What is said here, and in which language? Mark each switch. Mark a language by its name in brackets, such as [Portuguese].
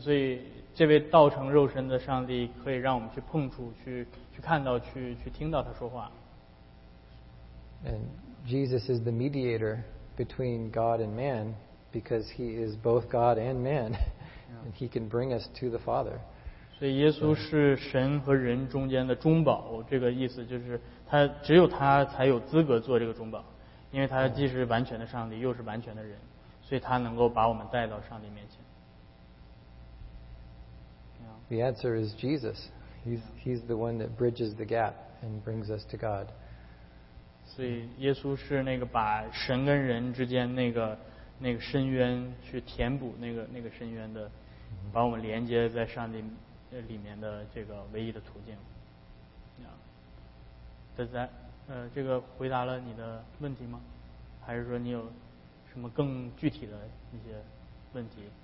[Chinese] 所以这位道成肉身的上帝可以让我们去碰触，去看到，去听到他说话。 [English] And Jesus is the mediator between God and man, because He is both God and man, and He can bring us to the Father. [Chinese] 所以耶稣是神和人中间的中保，这个意思就是他只有他才有资格做这个中保，因为他既是完全的上帝，又是完全的人，所以他能够把我们带到上帝面前。 [English] The answer is Jesus. He's the one that bridges the gap and brings us to God. [Chinese] 所以耶稣是那个把神跟人之间那个深渊去填补那个深渊的，把我们连接在上帝里面的这个唯一的途径。这个回答了你的问题吗？还是说你有什么更具体的一些问题？